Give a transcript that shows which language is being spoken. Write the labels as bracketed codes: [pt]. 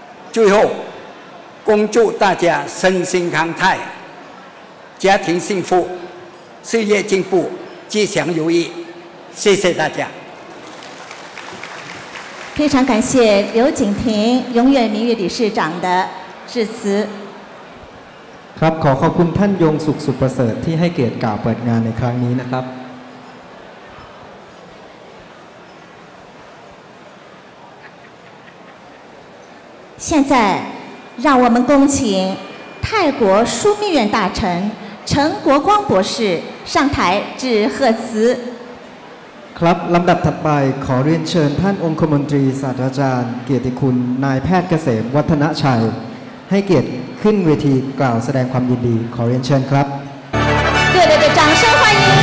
[zh] 最后，恭祝大家身心康泰，家庭幸福，事业进步，吉祥如意，谢谢大家。非常感谢刘景廷永远名誉理事长的致辞。 [th] ครับขอขอบคุณท่านยงสุขสุขประเสริฐที่ให้เกียรติกล่าวเปิดงานในครั้งนี้นะครับ ตอนนี้ [zh] 让我们恭请泰国枢密院大臣陈国光博士上台致贺词。 [th] ครับลำดับถัดไปขอเรียนเชิญท่านองคมนตรีศาสตราจารย์เกียรติคุณนายแพทย์เกษมวัฒนชัยให้เกียรติขึ้นเวทีกล่าวแสดงความยินดีขอเรียนเชิญครับ [zh] ด้วยด掌声欢迎